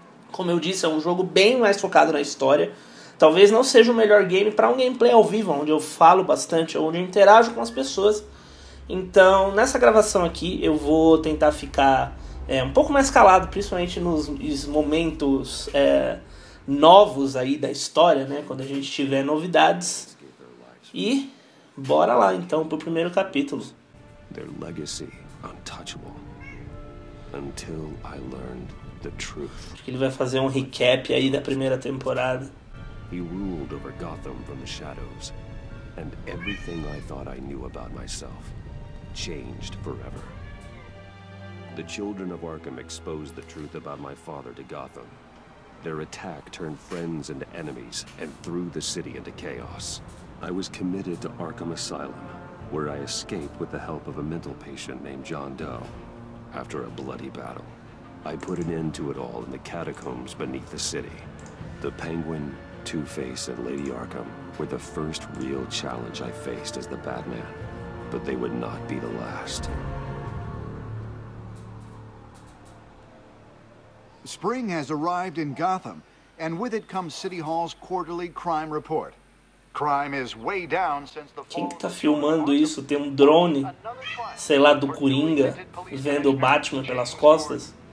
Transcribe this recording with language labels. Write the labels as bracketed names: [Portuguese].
[Portuguese] Como eu disse, é um jogo bem mais focado na história, talvez não seja o melhor game para um gameplay ao vivo, onde eu falo bastante, onde eu interajo com as pessoas. Então nessa gravação aqui eu vou tentar ficar um pouco mais calado, principalmente nos momentos novos aí da história, né, quando a gente tiver novidades. E bora lá então pro primeiro capítulo. [English] Their legacy untouchable until I learned the truth. [Portuguese] Acho que ele vai fazer um recap aí da primeira temporada. [English] He ruled over Gotham from the shadows, and everything I thought I knew about myself changed forever. The children of Arkham exposed the truth about my father to Gotham. Their attack turned friends into enemies and threw the city into chaos. I was committed to Arkham Asylum, where I escaped with the help of a mental patient named John Doe. After a bloody battle, I put an end to it all in the catacombs beneath the city. The Penguin, Two-Face, and Lady Arkham were the first real challenge I faced as the Batman, but they would not be the last. Spring has arrived in Gotham, and with it comes City Hall's quarterly crime report. Crime is way down since the fall. [Portuguese] Quem que tá filmando isso? Tem um drone, sei lá, do Coringa, vendo o Batman pelas costas.